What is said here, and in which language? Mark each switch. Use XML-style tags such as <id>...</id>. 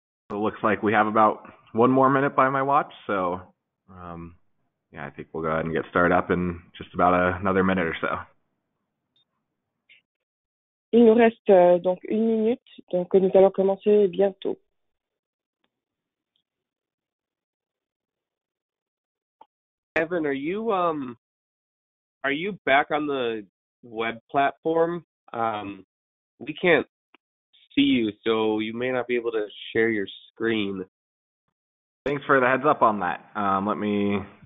<en>It looks like we have about one more minute by my watch, so yeah, I think we'll go ahead and get started up in just about another minute or so.</en> <fr>Il nous reste donc une minute, donc nous allons commencer bientôt.</fr> <en>Evan, are you back on the web platform? We can't see you, so you may not be able to share your screen. Thanks for the heads up on that. Let me.</en>